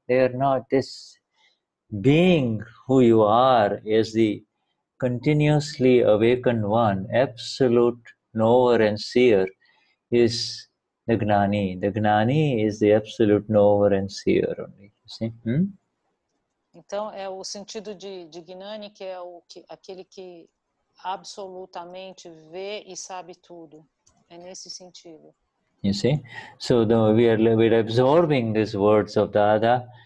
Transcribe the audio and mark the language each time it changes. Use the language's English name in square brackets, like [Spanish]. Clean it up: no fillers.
[English] They are not this being who you are is the continuously awakened one, absolute knower and seer is the gnani. The gnani is the absolute knower and seer only, you see. Hmm? [Portuguese] Então, é o sentido de Gnani, que é aquele que absolutamente vê e sabe tudo. É nesse sentido. [English] You see? So, we are absorbing these words of Dada.